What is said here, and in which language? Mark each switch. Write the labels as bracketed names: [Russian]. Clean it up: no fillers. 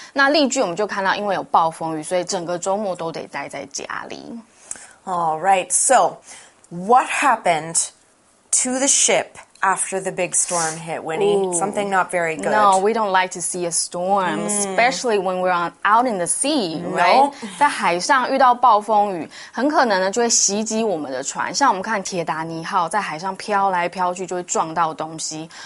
[Chinese] 那例句我们就看到，因为有暴风雨，所以整个周末都得待在家里。 [English] All right, so what happened? To the ship after the big storm hit, Winnie. Ooh, something not very good. No, we don't like to see a storm, especially when we're out in the sea, right? [Chinese] 在海上遇到暴风雨，很可能呢就会袭击我们的船。像我们看铁达尼号在海上飘来飘去，就会撞到东西。